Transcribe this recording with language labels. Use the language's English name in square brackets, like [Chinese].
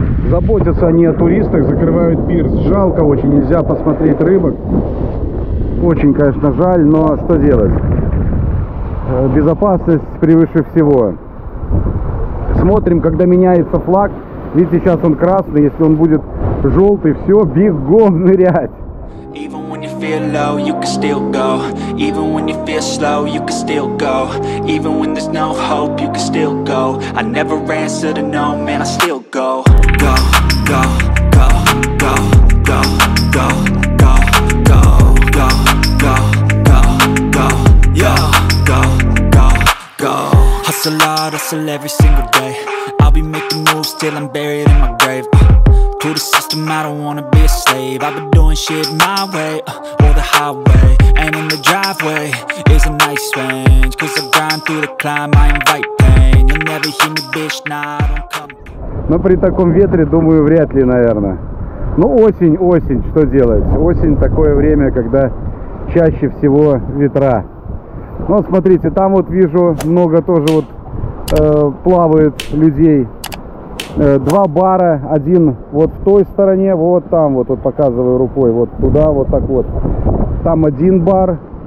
[Russian] Заботятся они о туристах, закрывают пирс. Жалко очень, нельзя посмотреть рыбок. Очень, конечно, жаль, но что делать? Безопасность превыше всего. Смотрим, когда меняется флаг. Видите, сейчас он красный, если он будет желтый, все, бегом нырять. [English] Even when you feel low, you can still go. Even when you feel slow, you can still go. Even when there's no hope, you can still go. I never answer to no, man, I still go. Go, go, go, go, go, go, go, go, go, go, go, go, yo, go, go, go. Hustle hard, hustle every single day. I'll be making moves till I'm buried in my grave. to the system, I don't wanna be a slave. I've been doing shit my way, or the highway. And in the driveway is a nice range. Cause I grind through the climb, I invite pain. You never hear me, bitch, nah, I don't come. [Russian] Но при таком ветре, думаю, вряд ли, наверное. Ну, осень, что делать? Осень — такое время, когда чаще всего ветра. Ну, смотрите, там вот вижу, много тоже вот плавает людей. Два бара, один вот в той стороне, вот там вот, вот показываю рукой, вот туда, вот так вот. Там один бар.